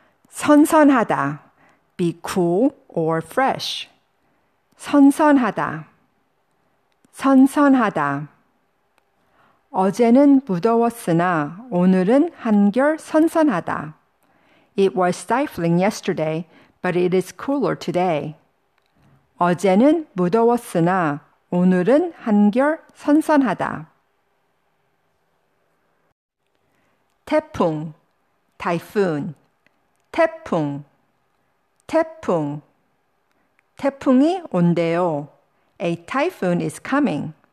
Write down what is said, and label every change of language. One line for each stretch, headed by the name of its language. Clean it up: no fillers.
Korean: 선선하다.
English: Be cool or fresh.
Korean: 선선하다. 선선하다. 어제는 무더웠으나 오늘은 한결 선선하다.
English: It was stifling yesterday, but it is cooler today.
Korean: 어제는 무더웠으나 오늘은 한결 선선하다. 태풍, typhoon, 태풍, 태풍. 태풍이 온대요.
English: A typhoon is coming.